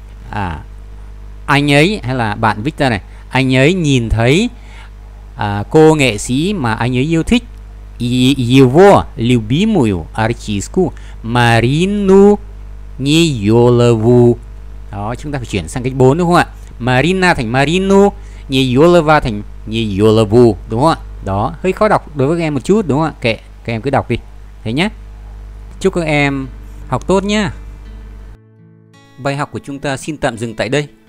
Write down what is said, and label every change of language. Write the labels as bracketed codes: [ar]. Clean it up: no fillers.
[vi] À, anh ấy hay là bạn Victor này, anh ấy nhìn thấy cô nghệ sĩ mà anh ấy yêu thích. [ru] Его любимую артистку Марину Ниёлову. [vi] Đó, chúng ta phải chuyển sang cách 4 đúng không ạ? Marina thành Marino, Ниёлова thành Ниёлову, đúng không ạ? Đó, hơi khó đọc đối với các em một chút đúng không ạ? Kệ, các em cứ đọc đi. Thế nhé. Chúc các em học tốt nhé. Bài học của chúng ta xin tạm dừng tại đây.